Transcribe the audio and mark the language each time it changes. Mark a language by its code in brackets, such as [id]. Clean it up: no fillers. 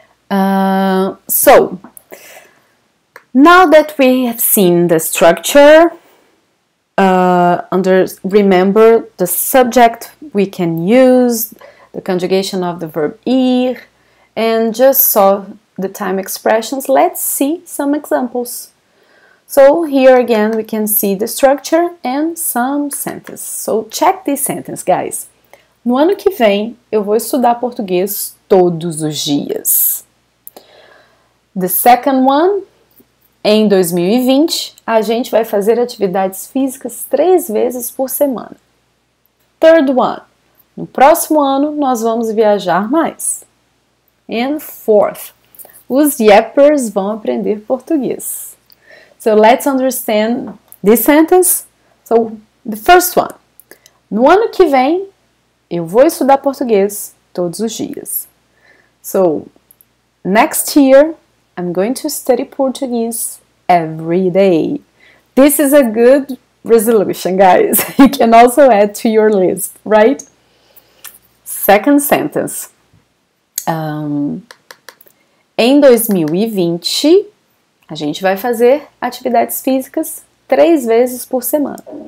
[en] So, now that we have seen the structure, remember the subject we can use, the conjugation of the verb ir, and just saw the time expressions, let's see some examples. So here again we can see the structure and some sentences. So check this sentence, guys. [pt] No ano que vem eu vou estudar português todos os dias. [en] The second one, [pt] em 2020, a gente vai fazer atividades físicas 3 vezes por semana. [en] Third one, [pt] no próximo ano nós vamos viajar mais. [en] And fourth, [pt] os yappers vão aprender português. [en] So let's understand this sentence. So the first one, [pt] no ano que vem eu vou estudar português todos os dias. [en] So next year, I'm going to study Portuguese every day. This is a good resolution, guys. You can also add to your list, right? Second sentence. [pt] Em 2020, a gente vai fazer atividades físicas 3 vezes por semana.